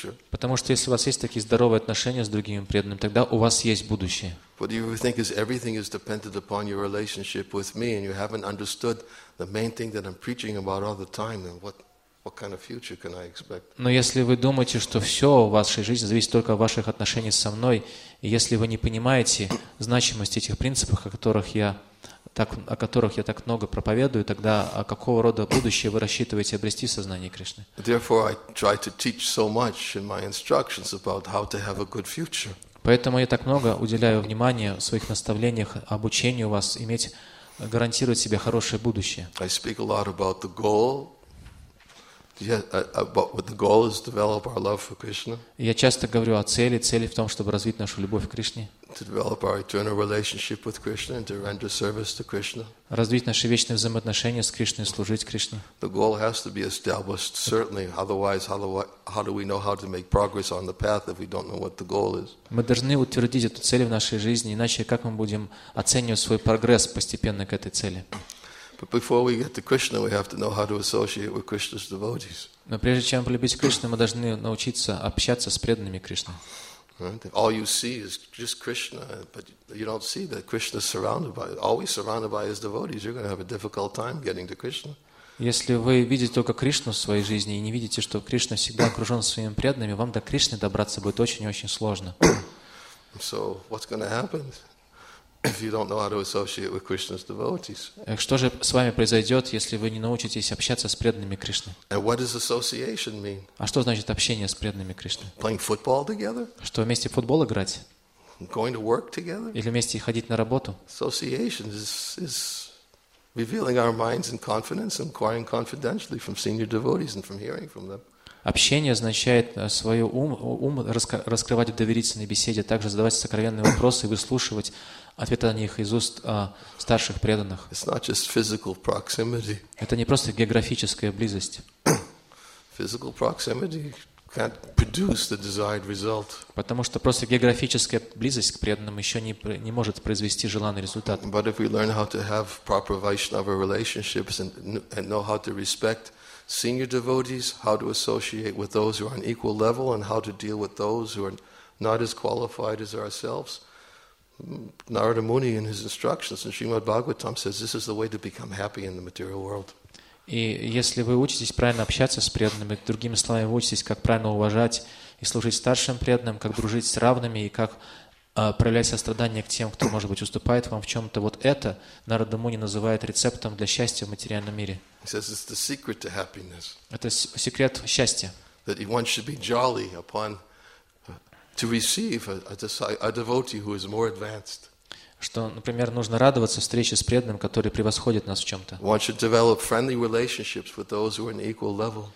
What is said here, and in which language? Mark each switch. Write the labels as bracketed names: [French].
[Russian] Потому что если у вас есть такие здоровые отношения с другими преданными, тогда у вас есть будущее. [English] What do you think is everything is dependent upon your relationship with me and you haven't understood the main thing that I'm preaching about all the time and what kind of future can I expect? [Russian] Но если вы думаете, что все в вашей жизни зависит только от ваших отношений со мной, и если вы не понимаете значимость этих принципов, о которых я так много проповедую, тогда какого рода будущее вы рассчитываете обрести в сознании Кришны? [English] Therefore, I try to teach so much in my instructions about how to have a good future. [Russian] Поэтому я так много уделяю внимания в своих наставлениях обучению вас иметь, гарантировать себе хорошее будущее. [English] I speak a lot about the goal. But what the goal is to develop our love for Krishna. [Russian] Я часто говорю о цели. Цель в том, чтобы развить нашу любовь к Кришне. [English] To develop our eternal relationship with Krishna and to render service to Krishna. [Russian] Развить наши вечные взаимоотношения с Кришной, служить Кришне. [English] The goal has to be established, certainly. Otherwise, how do we know how to make progress on the path if we don't know what the goal is? [Russian] Мы должны утвердить эту цель в нашей жизни, иначе как мы будем оценивать свой прогресс постепенно к этой цели? [English] But before we get to Krishna, we have to know how to associate with Krishna's devotees. [Russian] Но прежде чем полюбить Кришну, мы должны научиться общаться с преданными Кришны. [English] All you see is just Krishna, but you don't see that Krishna is always surrounded by his devotees. You're going to have a difficult time getting to Krishna. [Russian] Если вы видите только Кришну в своей жизни и не видите, что Кришна всегда окружен своими преданными, вам до Кришны добраться будет очень-очень сложно. [English] So what's going to happen? If you don't know how to associate with Krishna's devotees. [Russian] Что же с вами произойдет, если вы не научитесь общаться с преданными Кришны? [English] And what does association mean? [Russian] А что значит общение с преданными Кришны? [English] Playing football together? [Russian] Что вместе в футбол играть? [English] Going to work together? [Russian] Или вместе ходить на работу? [English] Association is revealing our minds in confidence and inquiring confidentially from senior devotees and from hearing from them. [Russian] Общение означает свой ум раскрывать в доверительной беседе, также задавать сокровенные вопросы и выслушивать ответы на них из уст старших преданных. [English] It's not just physical proximity. [Russian] Это не просто географическая близость. [English] Physical proximity can't produce the desired result. [Russian] Потому что просто географическая близость к преданным еще не может произвести желанный результат. [English] But if we learn how to have proper Vaishnava relationships and know how to respect senior devotees, how to associate with those who are on equal level and how to deal with those who are not as qualified as ourselves. Narada Muni in his instructions in Srimad Bhagavatam says this is the way to become happy in the material world. [Russian] И если вы учитесь правильно общаться с преданными, другими словами, вы учитесь, как правильно уважать и служить старшим преданным, как дружить с равными и как проявлять сострадание к тем, кто, может быть, уступает вам в чем-то. Вот это Нарада Муни называет рецептом для счастья в материальном мире. [English] He says it's the secret to happiness. [Russian] Это секрет счастья. [English] That one should be jolly upon to receive a devotee who is more advanced. [Russian] Что, например, нужно радоваться встрече с преданным, который превосходит нас в чем-то. [English] One should develop friendly relationships with those who are on equal level.